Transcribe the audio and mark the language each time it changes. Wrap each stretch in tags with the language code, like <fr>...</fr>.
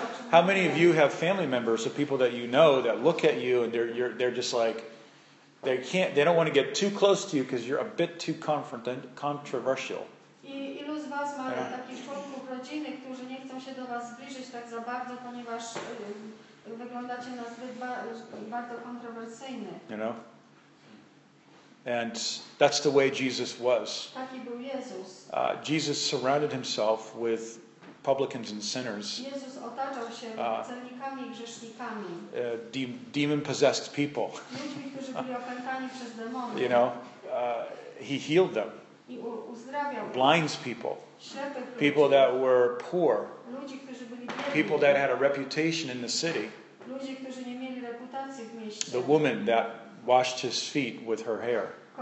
<en>How many of you have family members or people that you know that look at you and they're just like, they don't want to get too close to you because you're a bit too controversial.</en> <pl>Ilu z was ma takich członków rodziny, którzy nie chcą się do was zbliżyć tak za bardzo, ponieważ wyglądacie na zbyt bardzo kontrowersyjny.</pl> <en>You know? And that's the way Jesus was.</en> <pl>Taki był Jezus.</pl> <en>Jesus surrounded himself with publicans and sinners.</en> <pl>Jezus otaczał się celnikami i grzesznikami.</pl> <en>Demon-possessed people.</en> <pl>Ludźmi, którzy byli opętani przez demony.</pl> <en>You know, he healed them. blinds people, people that were poor, people that had a reputation in the city, the woman that washed his feet with her hair.</en>